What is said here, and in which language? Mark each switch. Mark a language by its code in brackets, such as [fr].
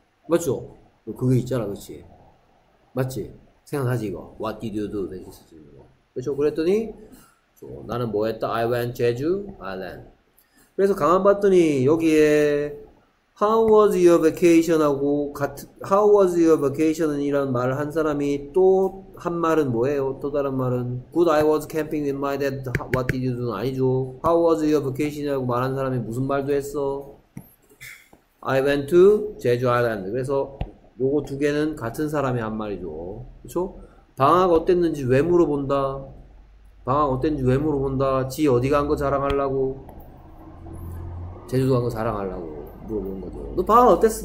[ko] 맞죠? 그게 있잖아, 그치? 맞지? 생각하지, 이거? [en] What did you do? [ko] 대신 쓸 수 있는 거. 그쵸? 그랬더니 나는 뭐 했다? [en] I went Jeju Island. [ko] 그래서 가만 봤더니 여기에 [en] How was your vacation? [ko] 하고 [en] How was your vacation? [ko] 이라는 말을 한 사람이 또 한 말은 뭐예요? 또 다른 말은 [en] Good, I was camping with my dad. What did you do? 아니죠. How was your vacation? [ko] 이라고 말한 사람이 무슨 말도 했어? [en] I went to Jeju Island. [ko] 그래서 요거 두 개는 같은 사람이 한 말이죠. 그쵸? 방학 어땠는지 왜 물어본다? 방학 어땠는지 왜 물어본다? 지 어디 간 거 자랑하려고? 제주도 간 거 자랑하려고 물어보는 거죠. 너 방학 어땠어?